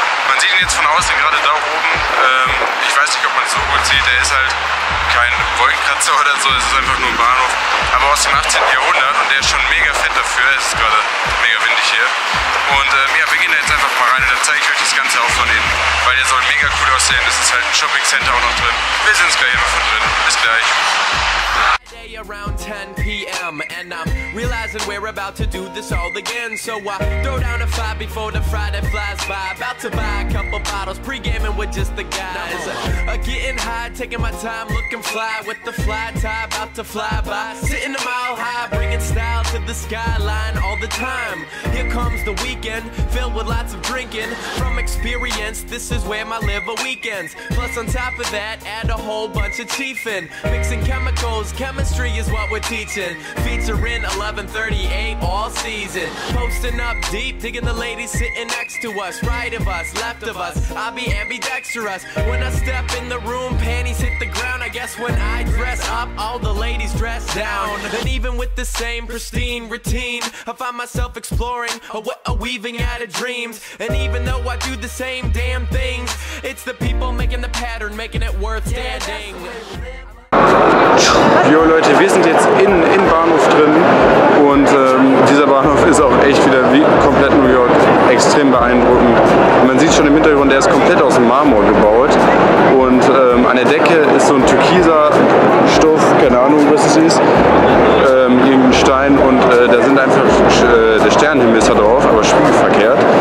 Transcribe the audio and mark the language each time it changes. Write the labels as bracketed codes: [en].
[de] Man sieht ihn jetzt von außen, gerade da oben. Ich weiß nicht, ob man es so gut sieht, der ist halt kein Wolkenkratzer oder so, es ist einfach nur ein Bahnhof. Aber aus dem 18. Jahrhundert und der ist schon mega fett dafür, es ist gerade mega windig hier. Und ja, wir gehen da jetzt einfach mal rein und dann zeige ich euch das Ganze auch von innen, weil der soll mega cool aussehen, es ist halt ein Shopping Center auch noch drin. Wir sehen uns gleich immer von drin, bis gleich. [en] Around 10 p.m. and I'm realizing we're about to do this all again. So I throw down a five before the Friday flies by. About to buy a couple bottles, pre-gaming with just the guys. Getting high, taking my time, looking fly with the fly tie. About to fly by, sitting a mile high, bringing style to the skyline all the time. Here comes the weekend, filled with lots of drinking. From experience, this is where my liver weakens. Plus on top of that, add a whole bunch of chiefin'. Mixing chemicals, chemistry. Street is what we're teaching, featuring 1138 all season. Posting up deep, digging the ladies sitting next to us, right of us, left of us, I'll be ambidextrous. When I step in the room, panties hit the ground. I guess when I dress up, all the ladies dress down. And even with the same pristine routine, I find myself exploring a weaving out of dreams. And even though I do the same damn things, it's the people making the pattern, making it worth standing. [de] Jo Leute, wir sind jetzt im Bahnhof drin und dieser Bahnhof ist auch echt wieder wie komplett New York extrem beeindruckend. Man sieht schon im Hintergrund, der ist komplett aus Marmor gebaut und an der Decke ist so ein türkiser Stoff, keine Ahnung was es ist, irgendein Stein und da sind einfach der Sternenhimmel ist da drauf, aber spiegelverkehrt.